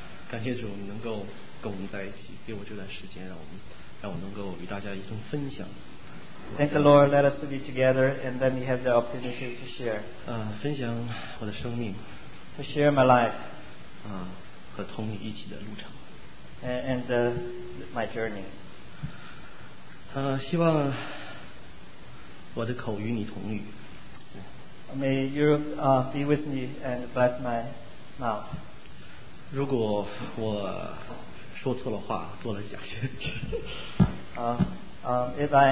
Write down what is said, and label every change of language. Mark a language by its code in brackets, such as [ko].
[zh] 感谢主，能够跟我们在一起，给我这段时间，让我能够与大家一同分享。 [en] Thank the Lord, let us be together, and then we have the opportunity to share. [zh] 分享我的生命。 [en] To share my life. [zh] 和同你一起的路程。 [en] And my journey. [zh] 希望我的口与你同语。 [en] May you be with me and bless my mouth. [zh] 如果我说错了话，做了假先知。